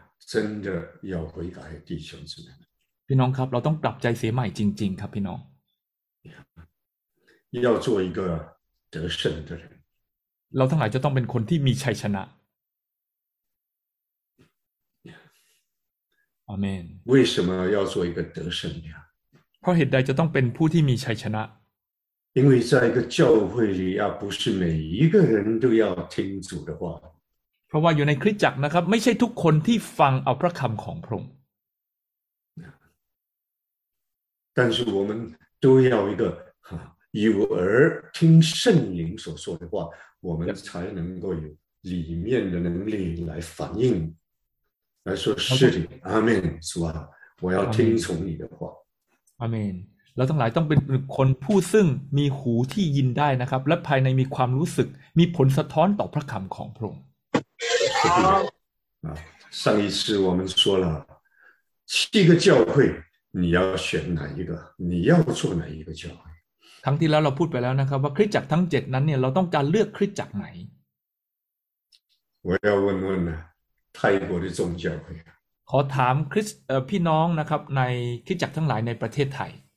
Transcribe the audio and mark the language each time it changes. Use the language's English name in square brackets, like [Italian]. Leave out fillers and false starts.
[Chinese] 真的要悔改弟兄姊妹 [Thai] พี่น้องครับเราต้องกลับใจเสียใหม่จริงๆครับพี่น้อง [Chinese] 要做一个得胜的人 [Thai] เราทั้งหลายจะต้องเป็นคนที่มีชัยชนะAmen. [Chinese] 为什么要做一个得胜的？ [Thai] เพราะเหตุใดจะต้องเป็นผู้ที่มีชัยชนะ [Chinese] 因为在一个教会里啊，不是每一个人都要听主的话。 [Thai] เพราะว่าอยู่ในคริสตจักรนะครับไม่ใช่ทุกคนที่ฟังเอาพระคำของพระองค์ [Chinese] 但是我们都要一个有耳听圣灵所说的话，我们才能够有里面的能力来反应。来说是的，阿门，主啊，我要听从你的话。阿门。 [Thai] เราทั้งหลายต้องเป็นคนผู้ซึ่งมีหูที่ยินได้นะครับและภายในมีความรู้สึกมีผลสะท้อนต่อพระคำของพระองค์。 [Chinese] 啊，上一次我们说了七个教会，你要选哪一个？你要做哪一个教会？ [Thai] ครั้งที่แล้วเราพูดไปแล้วนะครับว่าคริสตจักรทั้ง7นั้นเนี่ยเราต้องการเลือกคริสตจักรไหน？ [Chinese] 我要问问呢。泰国的宗教会 [Thai] ขอถามคริสพี่น้องนะครับในคริสตจักรทั้งหลายในประเทศไทย